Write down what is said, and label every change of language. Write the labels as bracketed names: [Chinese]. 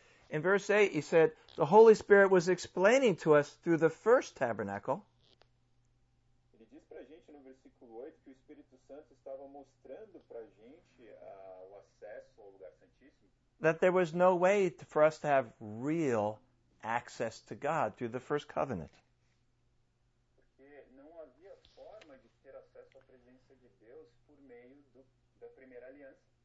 [English] In verse 8, he said, the Holy Spirit was explaining to us through the first tabernacle. [Portuguese] Ele diz pra gente no versículo 8 que o Espírito Santo estava mostrando pra gente o acesso ao lugar santíssimo. [English] That there was no way for us to have real access to God through the first covenant. [Portuguese] Porque não havia forma de ter acesso à presença de Deus por meio da primeira aliança.